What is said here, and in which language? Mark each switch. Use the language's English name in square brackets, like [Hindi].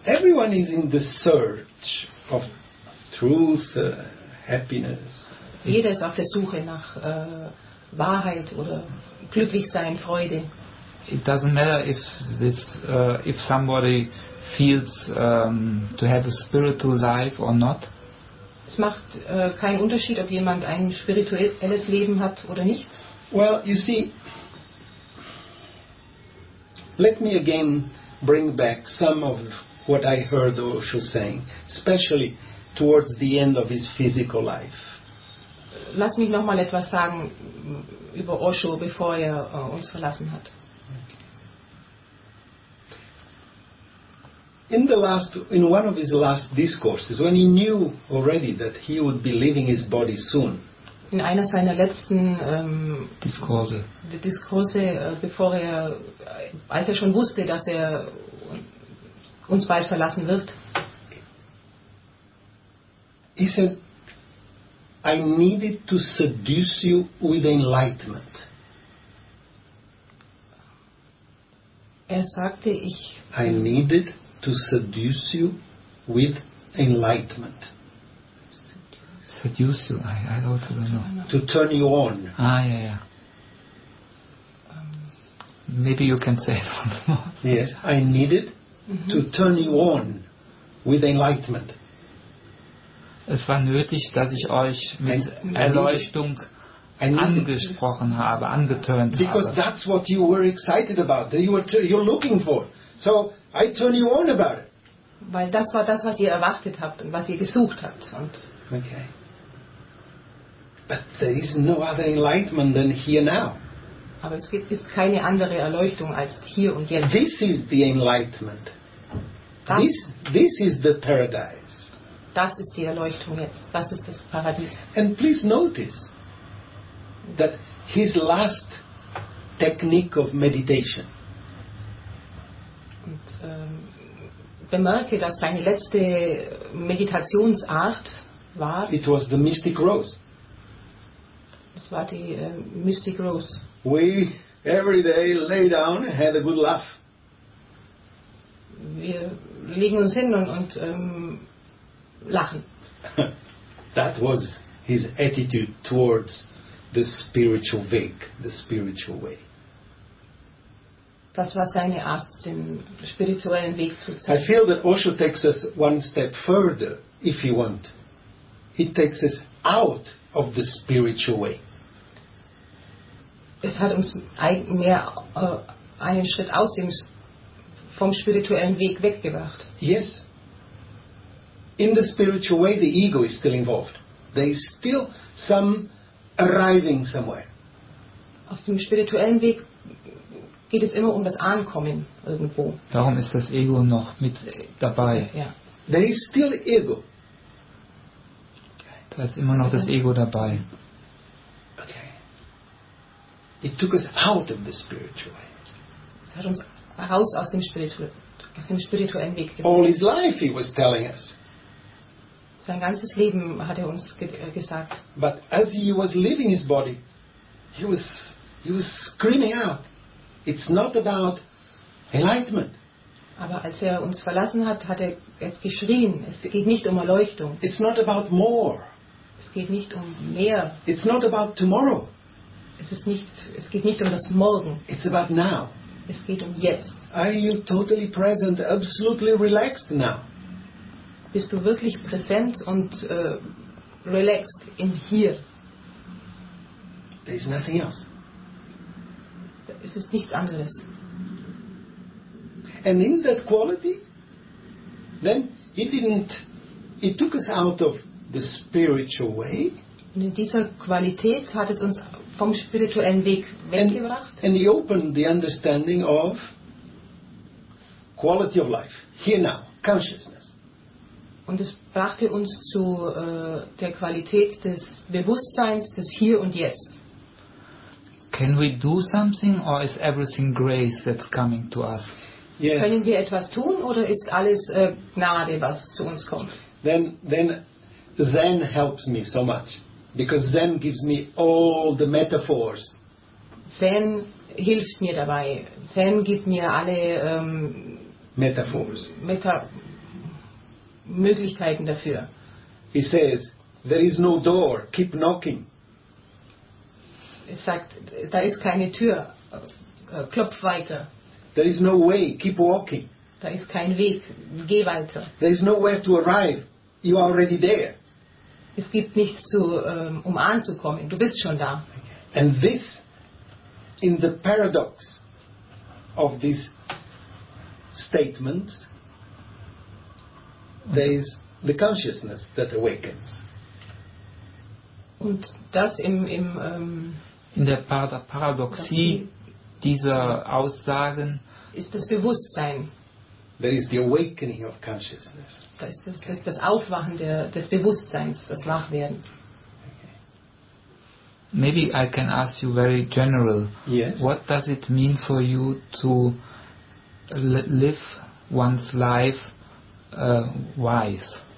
[English] Everyone is in the search of truth, happiness. [German] Jeder ist auf der Suche nach Wahrheit oder Glücklichsein, Freude. [English] It doesn't matter if this if somebody feels to have a spiritual life or not. [German] Es macht keinen Unterschied, ob jemand ein spirituelles Leben hat oder nicht. [English] Well, you see, let me again bring back some of what I heard Osho saying, especially towards the end of his physical life. [German] Lass mich noch mal etwas sagen über Osho, bevor er uns verlassen hat. [English] In one of his last discourses, when he knew already that he would be leaving his body soon. [German] In einer seiner letzten Diskurse. Diskurse, bevor er, als er schon wusste, dass er uns bald verlassen wird. [English] He said, I needed to seduce you with enlightenment. [German] Er sagte, ich. [English] I needed to seduce you with enlightenment. Seduce you? I also don't know. To turn you on. Ah, yeah, yeah. Maybe you can say it once more. Yes, I needed to turn you on with enlightenment. [German] Es war nötig, dass ich euch mit Erleuchtung angesprochen habe, angetönt habe. [English] Because that's what you were excited about, that you're looking for. So I turn you on about it. [German] Weil das war das, was ihr erwartet habt und was ihr gesucht habt. Und [English] okay. But there is no other enlightenment than here now. [German] Aber es ist keine andere Erleuchtung als hier und jetzt. [English] This is the enlightenment. This is the paradise. [German] Das ist die Erleuchtung jetzt. Das ist das Paradies. [English] And please notice that his last technique of meditation. [German] Und bemerke, dass seine letzte Meditationsart war. [English] It was the Mystic Rose. [German] Es war die Mystic Rose. [English] We every day lay down and had a good laugh. [German] Wir legen uns hin und lachen. [English] That was his attitude towards the spiritual way, the spiritual way. [German] Das war seine Art, den spirituellen Weg zu zeigen. [English] I feel that Osho takes us one step further, if you want. He takes us out of the spiritual way. [German] Es hat uns mehr einen Schritt aus dem vom spirituellen Weg weggebracht. [English] Yes. In the spiritual way, the ego is still involved. There is still some arriving somewhere. [German] Auf dem spirituellen Weg geht es immer um das Ankommen irgendwo. Darum ist das Ego noch mit dabei. Ja. [English] There is still ego. [German] Da ist immer noch das Ego dabei. [English] Okay. It took us out of the spiritual way. [German] Es hat uns raus aus dem spirituellen Weg gebracht. [English] All his life he was telling us. [German] Sein ganzes Leben hat er uns gesagt. [English] But as he was leaving his body, he was screaming out, it's not about enlightenment. [German] Aber als er uns verlassen hat, hat er es geschrien, es geht nicht um Erleuchtung. [English] It's not about more. [German] Es geht nicht um mehr. [English] It's not about tomorrow. [German] Es geht nicht um das Morgen. [English] It's about now. [German] Es geht um jetzt. [English] Are you totally present, absolutely relaxed now? [German] Bist du wirklich präsent und relaxed in hier? [English] There is nothing else. [German] Es ist nichts anderes. [English] And in that quality, then it took us out of the spiritual way. [German] Und in dieser Qualität hat es uns vom spirituellen Weg weggebracht. [English] And he opened the understanding of quality of life, here now, consciousness. [German] Und es brachte uns zu der Qualität des Bewusstseins, des Hier und Jetzt. [English] Can we do something or is everything grace that's coming to us? Yes. [German] Können wir etwas tun oder ist alles Gnade, was zu uns kommt? [English] Then Zen helps me so much. Because Zen gives me all the metaphors. [German] Zen hilft mir dabei. Zen gibt mir alle [English] metaphors. [German] Möglichkeiten dafür. [English] He says, there is no door, keep knocking. [German] Es sagt, da ist keine Tür, klopf weiter. [English] There is no way, keep walking. [German] Da ist kein Weg, geh weiter. [English] There is nowhere to arrive, you are already there. [German] Es gibt nichts zu um anzukommen, du bist schon da. [English] And this, in the paradox of this statement, there is the consciousness that awakens. [German] Und das im in der Paradoxie dieser Aussagen ist das Bewusstsein. [English] There is the awakening of consciousness. [German] Das ist das Aufwachen des Bewusstseins, das Wachwerden. [English] Maybe I can ask you very general. Yes. What does it mean for you to live one's life wise?